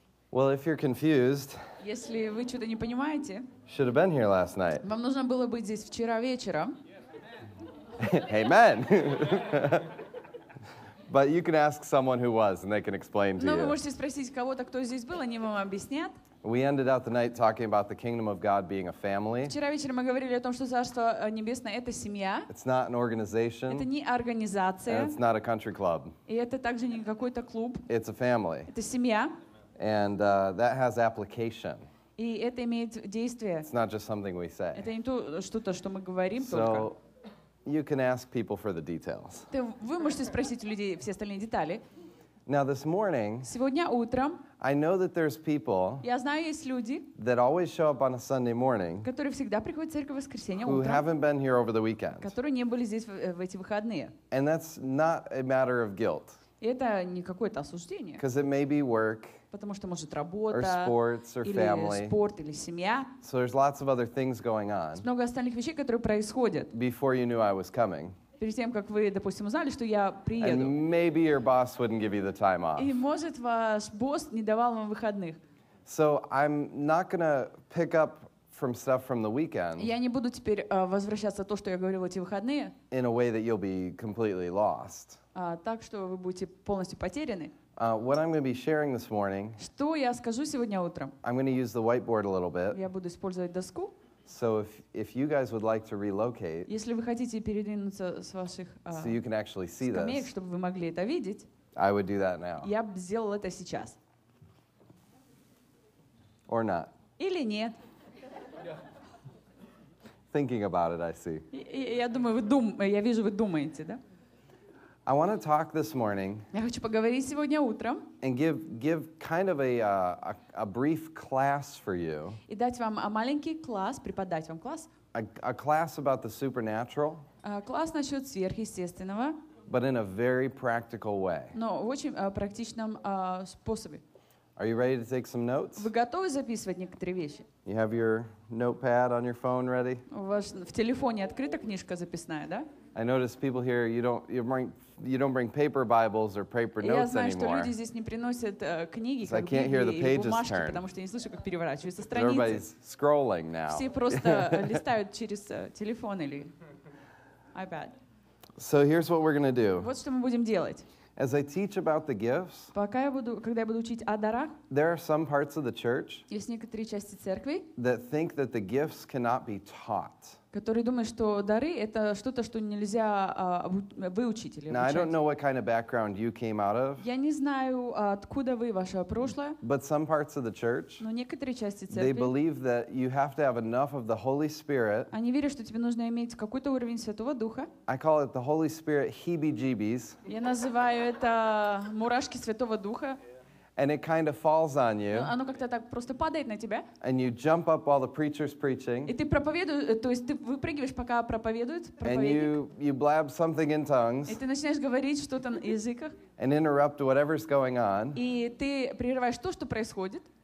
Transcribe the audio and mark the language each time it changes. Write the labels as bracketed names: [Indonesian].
[English] Well, if you're confused, [Russian] если вы что-то не понимаете, [English] should have been here last night. [Russian] Вам нужно было быть здесь вчера вечером. [English] Yes, amen. But you can ask someone who was, and they can explain to you. [Russian] Но вы можете спросить кого-то, кто здесь был, они вам объяснят. [English] We ended out the night talking about the kingdom of God being a family. [Russian] Вчера вечером мы говорили о том, что царство небесное это семья. [English] It's not an organization. [Russian] Это не организация. [English] And it's not a country club. [Russian] И это также не какой-то клуб. [English] It's a family. [Russian] Это семья. [English] And that has application. [Russian] И это имеет действие. [English] It's not just something we say. [Russian] Это не то, что-то, что мы говорим [English] so, [Russian] только. [English] So you can ask people for the details. [Russian] Вы можете спросить у людей все остальные детали. [English] Now this morning. [Russian] Сегодня утром. [English] I know that there's people. [Russian] Я знаю, есть люди. [English] That always show up on a Sunday morning. [Russian] Которые всегда приходят в церковь в воскресенье утром. [English] Who haven't been here over the weekend. [Russian] Которые не были здесь в эти выходные. [English] And that's not a matter of guilt. [Russian] И это не какое-то осуждение. [English] Because it may be work. [Russian] Потому что может работа, [English] or sports, or family. [Russian] Или спорт, или семья. [English] So there's lots of other things going on. [Russian] Много остальных вещей, которые происходят. [English] Before you knew I was coming. [Russian] Перед тем, как вы, допустим, узнали, что я приеду. [English] And maybe your boss wouldn't give you the time off. [Russian] И может ваш босс не давал вам выходных. [English] So I'm not gonna pick up from stuff from the weekend. [Russian] Я не буду теперь возвращаться то, что я говорил в эти выходные. [English] In a way that you'll be completely lost. [Russian] Так что вы будете полностью потеряны. [English] What I'm going to be sharing this morning. [Russian] Что я скажу сегодня утром? [English] I'm going to use the whiteboard a little bit. [Russian] Я буду использовать доску. [English] So if you guys would like to relocate. [Russian] Если вы хотите передвинуться с ваших [English] so you can actually see [Russian] скамеек, [English] this. [Russian] Чтобы вы могли это видеть. [English] I would do that now. [Russian] Я бы сделал это сейчас. [English] Or not. [Russian] Или нет. [English] Thinking about it, I see. [Russian] Я думаю, я вижу, вы думаете, да? [English] I want to talk this morning. [Russian] Я хочу поговорить сегодня утром. [English] And give kind of a brief class for you. [Russian] И дать вам маленький класс, преподать вам класс. [English] A class about the supernatural. [Russian] Класс насчет сверхъестественного. [English] But in a very practical way. [Russian] Но в очень практичном способе. [English] Are you ready to take some notes? [Russian] Вы готовы записывать некоторые вещи? [English] You have your notepad on your phone ready? [Russian] У вас в телефоне открыта книжка записная, да? [English] I notice people here, you don't bring paper Bibles or paper notes anymore. [Russian] Я знаю, что люди здесь не приносят книги, [English] so I can't hear the pages [Russian] бумажки, [English] turn. [Russian] Потому что я не слышу, как переворачиваются страницы. [English] Everybody's scrolling now. [Russian] Все просто листают через телефон или iPad. [English] So here's what we're going to do. [Russian] Вот что мы будем делать. [English] As I teach about the gifts, [Russian] пока я буду, когда я буду учить о дарах, [English] there are some parts of the church [Russian] есть некоторые части церкви, [English] that think that the gifts cannot be taught. [Russian] Которые думают, что дары — это что-то, что нельзя выучить или [English] Now, [Russian] обучать. [English] I don't know what kind of background you came out of, [Russian] я не знаю, откуда вы, ваше прошлое, [English] but some parts of the church, [Russian] но некоторые части церкви, [English] they believe that you have to have enough of the Holy Spirit, [Russian] они верят, что тебе нужно иметь какой-то уровень Святого Духа. [English] I call it the Holy Spirit heebie-jeebies. [Russian] Я называю это мурашки Святого Духа. [English] And it kind of falls on you. [Russian] Оно как-то так просто падает на тебя. [English] And you jump up while the preacher's preaching. [Russian] И ты проповедуешь, то есть ты выпрыгиваешь, пока проповедует проповедник. [English] And you blab something in tongues. [Russian] И ты начинаешь говорить что-то на языках. [English] And interrupt whatever's going on. [Russian] И ты прерываешь то, что происходит.